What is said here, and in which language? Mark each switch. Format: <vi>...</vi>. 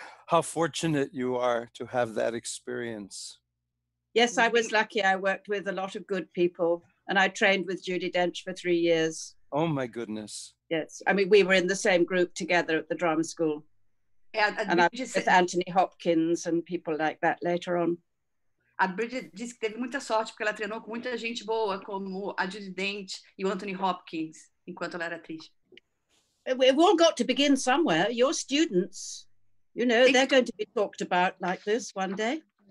<en>How fortunate you are to have that experience. Yes, I was lucky. I worked with a lot of good people, and I trained with Judi Dench for 3 years. Oh, my goodness. Yes. I mean, we were in the same group together at the drama school. Yeah, and I was with Anthony Hopkins and people like that later on.</en> <pt>A Brigid disse que teve muita sorte porque ela treinou com muita gente boa, como a Judi Dench e o Anthony Hopkins, enquanto ela era atriz.</pt> <en>We've all got to begin somewhere. Your students, you know, they're going to be talked about like this one day.</en>